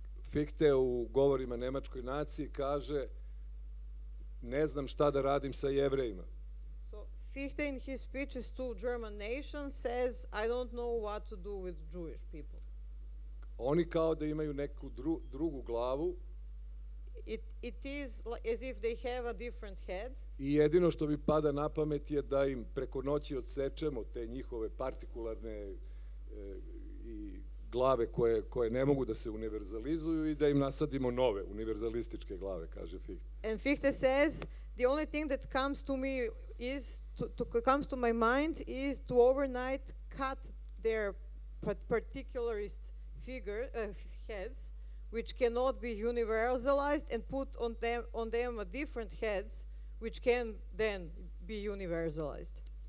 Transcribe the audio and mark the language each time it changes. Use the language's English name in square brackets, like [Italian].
[Serbian] Fichte u govorima Nemačkoj naciji kaže, ne znam šta da radim sa Jevrejima. [English] So Fichte in his speeches to German nation says, I don't know what to do with Jewish people. [Serbian] Oni kao da imaju neku drugu glavu. [English] It is as if they have a different head. [Serbian] I jedino što mi pada na pamet je da im preko noći odsečemo te njihove partikularne i glave koje ne mogu da se univerzalizuju i da im nasadimo nove univerzalističke glave, kaže Fichte. [English] And Fichte says, the only thing that comes to me is comes to my mind is to overnight cut their particularist heads, which cannot be universalized, and put on them a different heads, which can then be universalized.